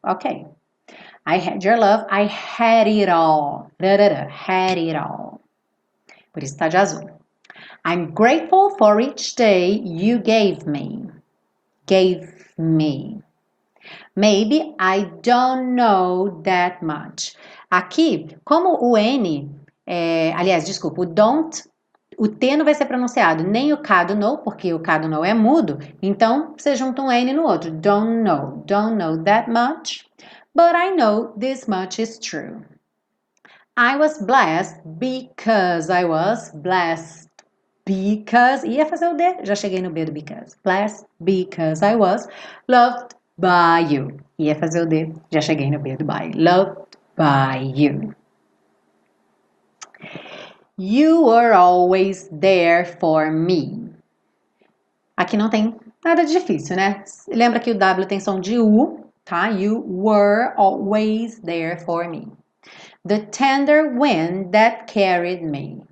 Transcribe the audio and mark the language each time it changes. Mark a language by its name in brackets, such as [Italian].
[English] Ok. I had your love. I had it all. [Portuguese] Da, da, da, [English] had it all. [Portuguese] Por isso está de azul. [English] I'm grateful for each day you gave me. Gave me. Maybe I don't know that much. [Portuguese] Aqui, como o N, aliás, desculpa, o don't, o T não vai ser pronunciado, nem o K do no, porque o K do no é mudo, então você junta um N no outro. [English] Don't know that much, but I know this much is true. I was blessed because I was blessed. [Portuguese] Because, ia fazer o D, já cheguei no B do because. [English] Blessed because I was loved by you. [Portuguese] Ia fazer o D, já cheguei no B do by. [English] Loved by you. You were always there for me. [Portuguese] Aqui não tem nada de difícil, né? Lembra que o W tem som de U, tá? [English] You were always there for me. The tender wind that carried me.